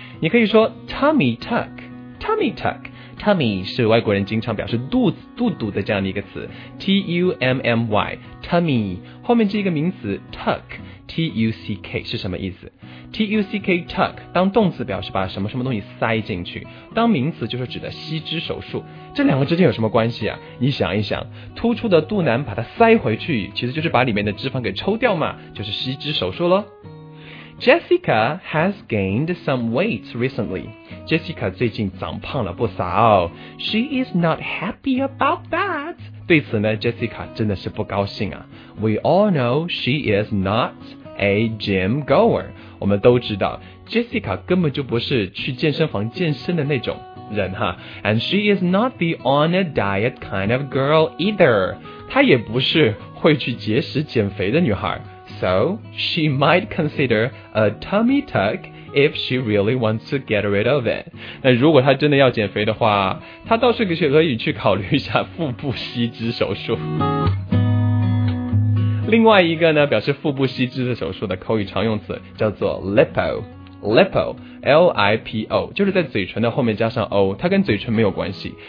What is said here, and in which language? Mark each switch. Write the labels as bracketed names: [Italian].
[Chinese] 你可以说 tummy tuck, tummy tuck,Tummy 是外国人经常表示肚子肚肚的这样的一个词， T-U-M-M-Y Tummy 后面这个名词 Tuck T-U-C-K 是什么意思？ T-U-C-K Tuck 当动词表示把什么什么东西塞进去，当名词就是指的吸脂手术。这两个之间有什么关系啊？你想一想，突出的肚腩把它塞回去，其实就是把里面的脂肪给抽掉嘛，就是吸脂手术咯。 [English] Jessica has gained some weight recently. [Chinese] Jessica 最近长胖了不少。 [English] She is not happy about that. [Chinese] 对此呢 ,Jessica 真的是不高兴啊。 [English] We all know she is not a gym goer. [Chinese] 我们都知道 ,Jessica 根本就不是去健身房健身的那种人哈。 [English] And she is not the on a diet kind of girl either. [Chinese] 她也不是会去节食减肥的女孩。 [English] So, she might consider a tummy tuck if she really wants to get rid of it. [Chinese] 那如果她真的要减肥的话，她倒是可以去考虑一下腹部吸脂手术。另外一个呢，表示腹部吸脂的手术的口语常用词叫做 lipo。 Lipo, L-I-P-O, 就是在嘴唇的后面加上 O, 它跟嘴唇没有关系。